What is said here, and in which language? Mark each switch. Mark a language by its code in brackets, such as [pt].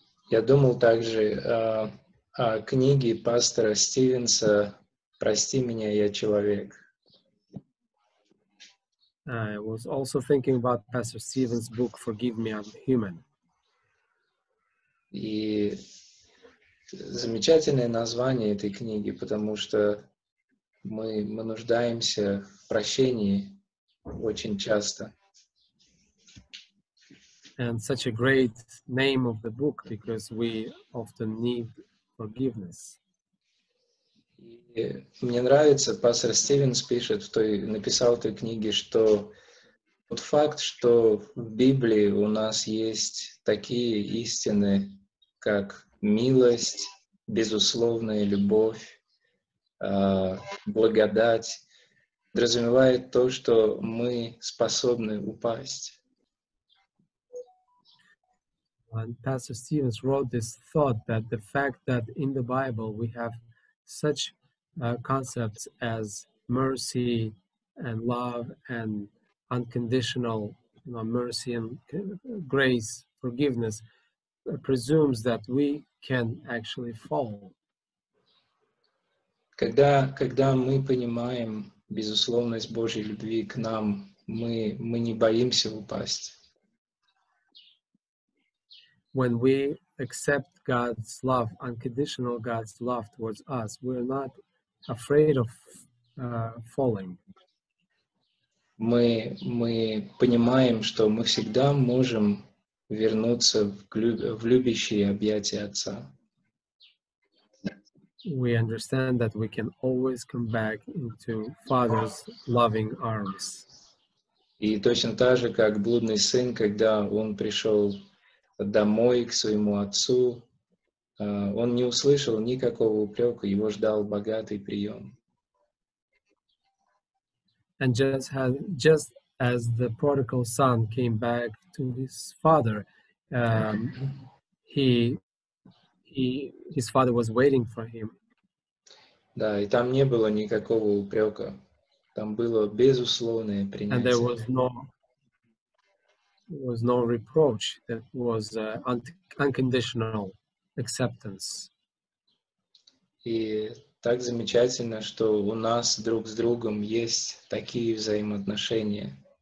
[ru] Я думал также о книге пастора Стивенса «Прости меня, я человек». [en] I was also thinking about Pastor Stevens' book «Forgive me, I'm human». [ru] И замечательное название этой книги, потому что мы нуждаемся в прощении очень часто. [en] And such a great name of the book, because we often need forgiveness. [ru] Мне нравится, пастор Стивенс пишет, написал в той книге, что вот факт, что в Библии у нас есть такие истины, как милость, безусловная любовь, благодать, подразумевает то, что мы способны упасть. [en] And Pastor Stevens wrote this thought that the fact that in the Bible we have such concepts as mercy and love and unconditional mercy and grace, forgiveness, presumes that we can actually fall. [ru] Когда мы понимаем безусловность Божьей любви к нам, мы не боимся упасть. [en] When we accept God's love, unconditional God's love towards us, we're not afraid of falling. [ru] Мы понимаем, что мы всегда можем вернуться в любящие объятия Отца. [en] We understand that we can always come back into Father's loving arms. [ru] И точно так же, как блудный сын, когда он пришел домой к своему отцу, он не услышал никакого упрека, его ждал богатый прием. [en] And just as the prodigal son came back to his father, his father was waiting for him. [ru] Да, и там не было никакого упрека, там было безусловное принятие. [en] And there was no reproach, that was unconditional acceptance. [ru] И так замечательно, что у нас друг с другом есть такие взаимоотношения.